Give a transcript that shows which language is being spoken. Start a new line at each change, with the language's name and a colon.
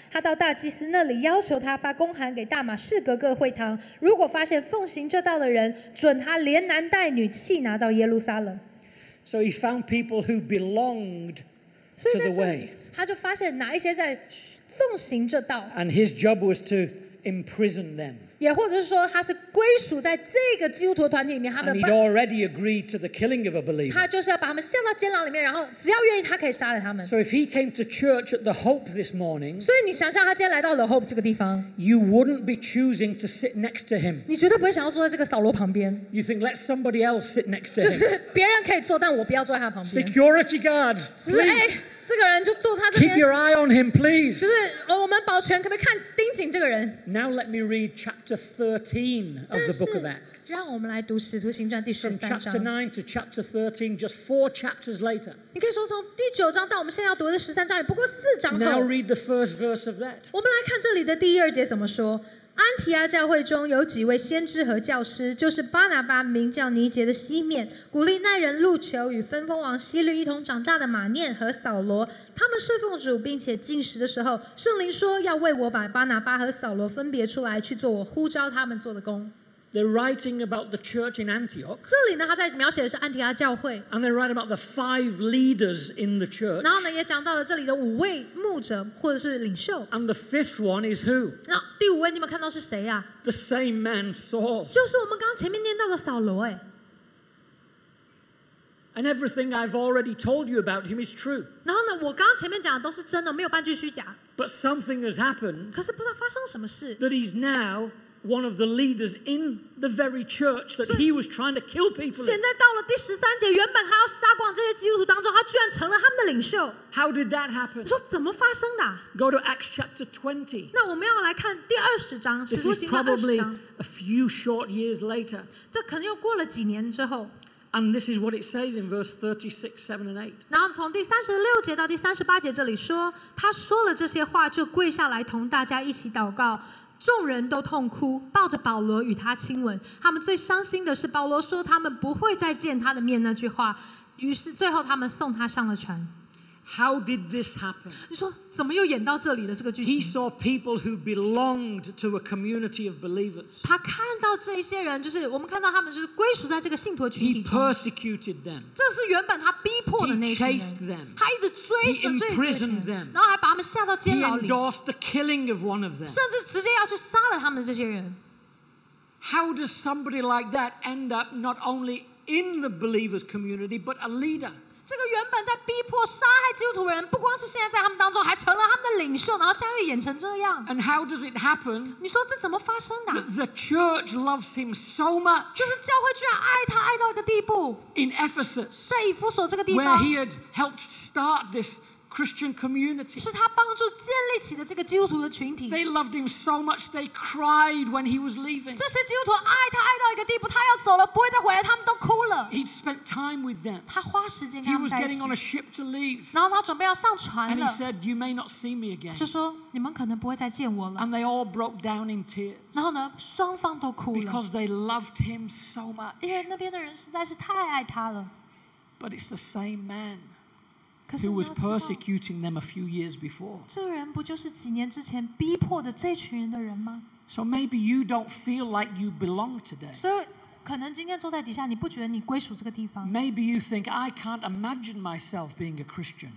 Chinese: 他到大祭司那里要求他发公函给大马士革各会堂，如果发现奉行这道的人，准他连男带女弃拿到耶路撒冷。
English: So he found people who belonged to the way.
Chinese: 他就发现哪一些在奉行这道。
English: And his job was to imprison them.
Chinese: 也或者是说，他是归属在这个基督徒团体里面。
English: And he'd already agreed to the killing of a believer.
Chinese: 他就是要把他们下到监牢里面，然后只要愿意，他可以杀了他们。
English: So if he came to church at the Hope this morning,
Chinese: 所以你想象他今天来到了 Hope 这个地方
English: ，you wouldn't be choosing to sit next to him.
Chinese: 你绝对不会想要坐在这个扫罗旁边。
English: You think let somebody else sit next to him.
Chinese: 就是别人可以坐，但我不要坐在他旁边。
English: Security guards, please.
Chinese: 这个人就坐他这边。
English: Keep your eye on him, please.
Chinese: 就是我们保全，可不可以看盯紧这个人
English: ？Now let me read chapter 13 of the book of Acts.
Chinese: 让我们来读《使徒行传》第十三章。
English: From chapter 9 to chapter 13, just four chapters later.
Chinese: 你可以说从第九章到我们现在要读的十三章，也不过四章后。
English: Now read the first verse of that.
Chinese: 我们来看这里的第一二节怎么说。安提阿教会中有几位先知和教师，就是巴拿巴名叫尼杰的西面，古利奈人路求与分封王希律一同长大的马念和扫罗，他们侍奉主并且进食的时候，圣灵说要为我把巴拿巴和扫罗分别出来，去做我呼召他们做的工。
English: They're writing about the church in Antioch.
Chinese: 这里呢，他在描写的是安提阿教会。
English: And they write about the five leaders in the church.
Chinese: 然后呢，也讲到了这里的五位牧者或者是领袖。
English: And the fifth one is who?
Chinese: 那第五位你们看到是谁呀？
English: The same man, Saul.
Chinese: 就是我们刚刚前面念到的扫罗哎。
English: And everything I've already told you about him is true.
Chinese: 然后呢，我刚刚前面讲的都是真的，没有半句虚假。
English: But something has happened.
Chinese: 可是不知道发生什么事。
English: That he's now. One of the leaders in the very church that he was trying to kill people.
Chinese: 现在到了第十三节，原本他要杀光这些基督徒当中，他居然成了他们的领袖。
English: How did that happen?
Chinese: 你说怎么发生的？
English: Go to Acts chapter 20.
Chinese: 那我们要来看第二十章，使徒行传二十章。
English: This is probably a few short years later.
Chinese: 这可能又过了几年之后。
English: And this is what it says in verse 36, 7, and 8.
Chinese: 然后从第三十六节到第三十八节这里说，他说了这些话，就跪下来同大家一起祷告。众人都痛哭，抱着保罗与他亲吻。他们最伤心的是保罗说他们不会再见他的面那句话。于是最后他们送他上了船。
English: How did this happen?
Chinese: 你说怎么又演到这里的这个剧情
English: ？He saw people who belonged to a community of believers.
Chinese: 他看到这些人，就是我们看到他们就是归属在这个信徒群体中。
English: He persecuted them.
Chinese: 这是原本他逼迫的那群人。
English: He chased them.
Chinese: 他一直追着这些人。
English: He imprisoned them.
Chinese: 然后还把他们下到监牢里。
English: He endorsed the killing of one of them.
Chinese: 甚至直接要去杀了他们的这些人。
English: How does somebody like that end up not only in the believers' community but a leader?
Chinese: 这个原本在逼迫杀害基督徒的人，不光是现在在他们当中，还成了他们的领袖，然后现在演成这样。
English: And how does it happen?
Chinese: 你说这怎么发生的？
English: The church loves him so much.
Chinese: 就是教会居然爱他爱到一个地步。
English: In Ephesus,
Chinese: 在以弗所这个地方
English: ，where he had helped start this Christian community,
Chinese: 是他帮助建立起的这个基督徒的群体。
English: They loved him so much they cried when he was leaving.
Chinese: 这些基督徒爱他爱到一个地步，他要走了，不会再回来，他们都哭了。
English: He spent time with them.
Chinese: 他花时间跟他们在一起。
English: He was getting on a ship to leave.
Chinese: 然后他准备要上船了。
English: And he said, "You may not see me again."
Chinese: 就说你们可能不会再见我了。
English: And they all broke down in tears.
Chinese: 然后呢，双方都哭了。
English: Because they loved him so much.
Chinese: 因为那边的人实在是太爱他了。
English: But it's the same man. Who was persecuting them a few years before?
Chinese: 这人不就是几年之前逼迫的这群人的人吗？
English: So maybe you don't feel like you belong today.
Chinese: 所以可能今天坐在底下，你不觉得你归属这个地方？
English: Maybe you think I can't imagine myself being a Christian.